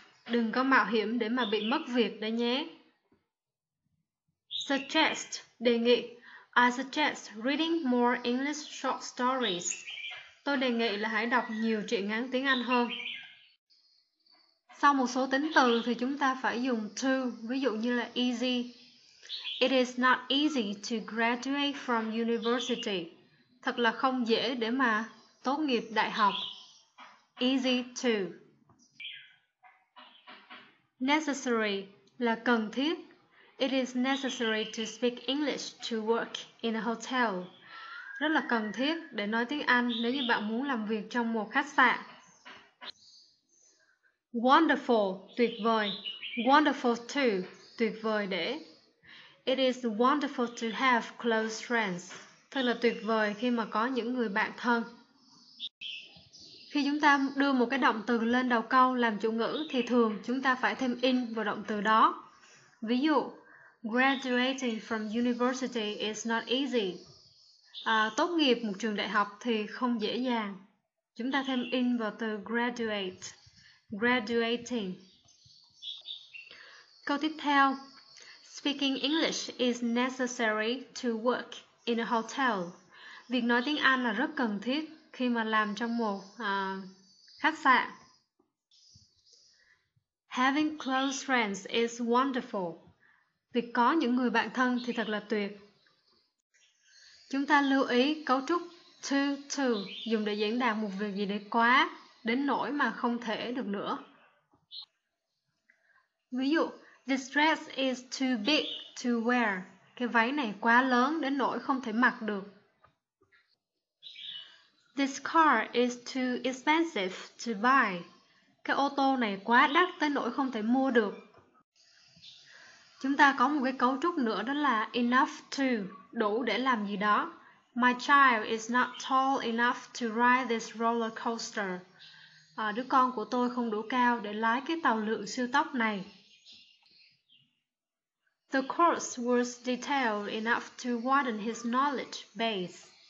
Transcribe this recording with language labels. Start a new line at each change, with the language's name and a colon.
Vietnamese: Đừng có mạo hiểm để mà bị mất việc đấy nhé. Suggest, đề nghị.
English: I suggest reading more English short stories.
Vietnamese: Tôi đề nghị là hãy đọc nhiều truyện ngắn tiếng Anh hơn. Sau một số tính từ thì chúng ta phải dùng to, ví dụ như là easy.
English: It is not easy to graduate from university.
Vietnamese: Thật là không dễ để mà tốt nghiệp đại học. Easy to.
English: Necessary
Vietnamese: là cần thiết.
English: It is necessary to speak English to work in a hotel.
Vietnamese: Rất là cần thiết để nói tiếng Anh nếu như bạn muốn làm việc trong một khách sạn. Wonderful, tuyệt vời. Wonderful to, tuyệt vời để.
English: It is wonderful to have close friends.
Vietnamese: Thật là tuyệt vời khi mà có những người bạn thân. Khi chúng ta đưa một cái động từ lên đầu câu làm chủ ngữ thì thường chúng ta phải thêm in vào động từ đó. Ví dụ,
English: graduating from university is not easy.
Vietnamese: Tốt nghiệp một trường đại học thì không dễ dàng. Chúng ta thêm in vào từ graduate.
English: Graduating.
Vietnamese: Câu tiếp theo.
English: Speaking English is necessary to work in a hotel.
Vietnamese: Việc nói tiếng Anh là rất cần thiết khi mà làm trong một khách sạn.
English: Having close friends is wonderful.
Vietnamese: Việc có những người bạn thân thì thật là tuyệt. Chúng ta lưu ý cấu trúc to dùng để diễn đạt một việc gì đấy quá, đến nỗi mà không thể được nữa. Ví dụ,
English: this dress is too big to wear.
Vietnamese: Cái váy này quá lớn đến nỗi không thể mặc được.
English: This car is too expensive to buy.
Vietnamese: Cái ô tô này quá đắt tới nỗi không thể mua được. Chúng ta có một cái cấu trúc nữa đó là enough to, đủ để làm gì đó.
English: My child is not tall enough to ride this roller coaster.
Vietnamese: Đứa con của tôi không đủ cao để lái cái tàu lượn siêu tốc này.
English: The course was detailed enough to widen his knowledge base.